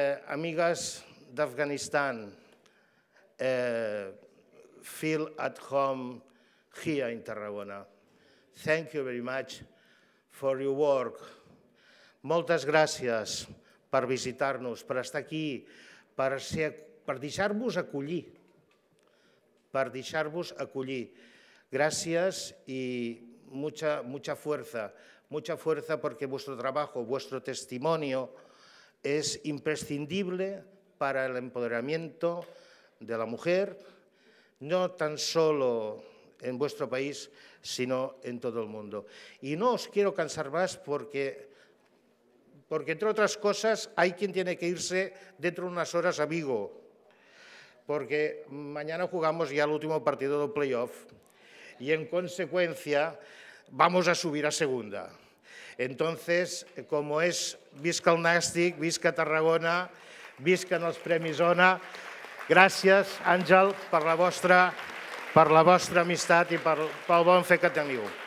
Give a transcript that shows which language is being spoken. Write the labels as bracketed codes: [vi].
[ca] Amigues d'Afganistan, [en] feel at home here in Tarragona. Thank you very much for your work. [ca] Moltes gràcies per visitar-nos, per estar aquí, per deixar-vos acollir. Gràcies i [es] mucha fuerza porque vuestro trabajo, vuestro testimonio es imprescindible para el empoderamiento de la mujer, no tan solo en vuestro país, sino en todo el mundo. Y no os quiero cansar más porque entre otras cosas, hay quien tiene que irse dentro de unas horas a Vigo, porque mañana jugamos ya el último partido del playoff y en consecuencia vamos a subir a segunda. Entonces, como es [ca] visca el Nàstic, visca Tarragona, visca els Premis Ona, gràcies, Àngel, per la vostra amistat i pel bon fet que teniu.